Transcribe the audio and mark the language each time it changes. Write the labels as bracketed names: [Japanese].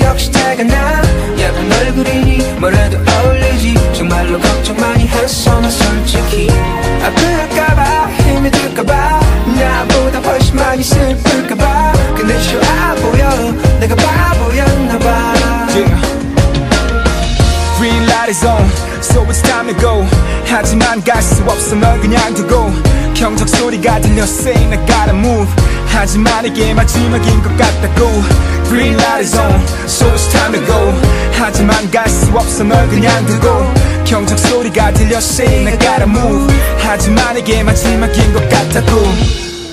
[Korean] 역시 태가 나 예쁜 얼굴이니 뭐래도 어울리지. 정말로 걱정 많이 했어 난 솔직히. 아플까봐 힘이 들까봐 나보다 훨씬 많이 슬플까봐. 근데 좋아 보여 내가 바보였나 봐. [English] Green light is on, so it's time to go. [Korean] 하지만 갈 수 없어 널 그냥 두고. 경적 소리가 들려 [English] say I gotta move. [Korean] 하지만 이게 마지막인 것 같다고. [English] Green light is on, so it's time to go. [Korean] 하지만 갈 수 없어 널 그냥 두고. 경적 소리가 들려 [English] say I gotta move. [Korean] 하지만 이게 마지막인 것 같다고.